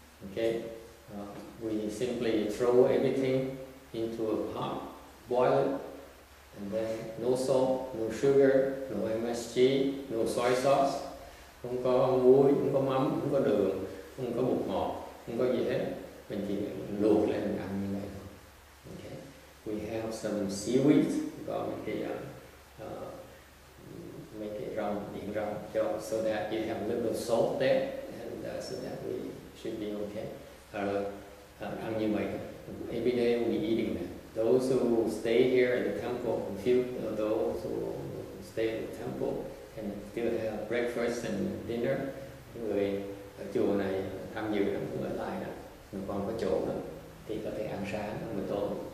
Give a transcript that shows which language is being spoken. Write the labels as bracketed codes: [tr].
[en] Okay, we simply throw everything into a pot, boil it, and then no salt, no sugar, no MSG, no soy sauce, [vi] không có muối, không có mắm, không có đường, không có bột ngọt, không có gì hết. Mình chỉ luộc lên mình ăn như này. [en] Okay, we have some seaweed, [vi] có một cái [en] make it rong, điện rong, so that you have a little salt there, and so that we should be okay. [vi] Ăn như vậy. [en] Every day we eating that. Those who stay here at the temple, those who stay at the temple can still have breakfast and dinner. [vi] Người ở chùa này tham dự là cũng ở lại đó. Người còn có chỗ đó, thì có thể ăn sáng, ăn buổi tối.